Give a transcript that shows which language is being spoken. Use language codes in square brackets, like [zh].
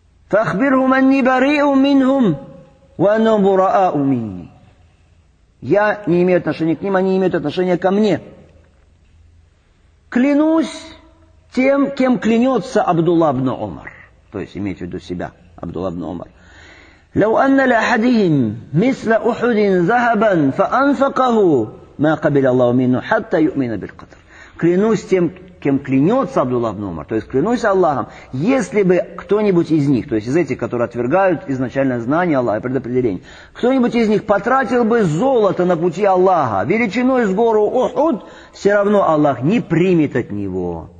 [ar] فَأَخْبِرْهُمْ أَنِّي بَرِيءٌ مِّنْهُمْ وَأَنَّهُمْ بُرَآءُ مِنِّي [ru] Я не имею отношения к ним, они имеют отношение ко мне. Клянусь тем, кем клянется Абдулла ибн Умар. То есть имейте в виду себя, Абдулла ибн Умар. [ar] لَوْ أَنَّ لَأَحَدِهِمْ مِثْلَ أُحُدٍ ذَهَبًا فَأَنْفَقَهُ Мы قبل الله منه حتى يؤمن بالقدر. [ru] Клянусь тем, кем клянется Абдулла ибн Умар, то есть клянусь Аллахом, если бы кто-нибудь из них, то есть из этих, которые отвергают изначальное знание Аллаха и предопределение, кто-нибудь из них потратил бы золото на пути Аллаха, величиной с гору Ухуд, все равно Аллах не примет от него.